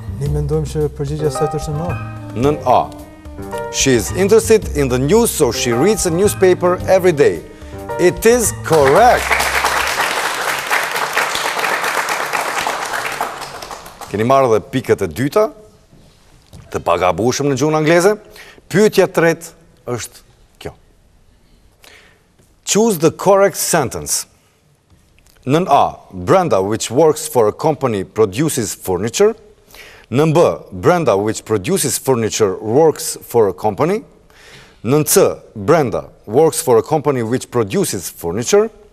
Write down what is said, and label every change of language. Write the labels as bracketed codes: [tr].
[sq] Ne mendojmë se përgjigja sot është në A. Nën A. [en] She is interested in the news, so she reads a newspaper every day. It is correct. [sq] Keni marrë edhe pikët e dyta të pagabushëm në gjuhën angleze. Pyetja e tretë është kjo. [en] Choose the correct sentence. [sq] Nën A, [en] Brenda, which works for a company, produces furniture. [sq] Nën B, [en] Brenda, which produces furniture, works for a company. [sq] Në C, [en] Brenda works for a company which produces furniture.